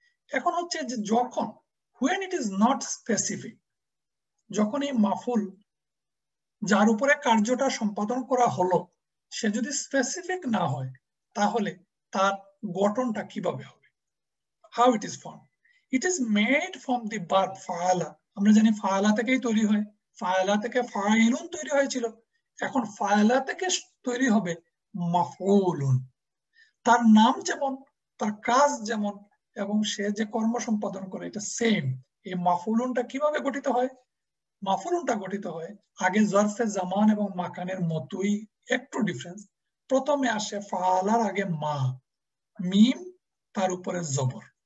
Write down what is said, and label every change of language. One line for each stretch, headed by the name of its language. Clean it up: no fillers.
Bangla: Ekhon hocche je jokhon
English: when it is not specific,
Bangla: যখন এই মাফুল যার উপরে কার্যটা সম্পাদন করা হলো সে যদি স্পেসিফিক না হয় তাহলে তার গঠনটা কিভাবে হবে?
English: How it is formed? It is made from the verb faala.
Bangla: আমরা জানি faala থেকেই তৈরি হয়, faala থেকে failun তৈরি হয়েছিল, এখন faala থেকে তৈরি হবে mafulun. তার নাম যেমন, তার কাজ যেমন, এবং সে যে কর্ম সম্পাদন করে এটা সেম। এই মাফুলুনটা কিভাবে গঠিত হয়? মাফুলুনটা গঠিত হয় আগে জরফে জামান এবং মাকানের মতোই, একটু ডিফারেন্স, প্রথমে আসে ফালার আগে মা, মিম তার উপরে জবর,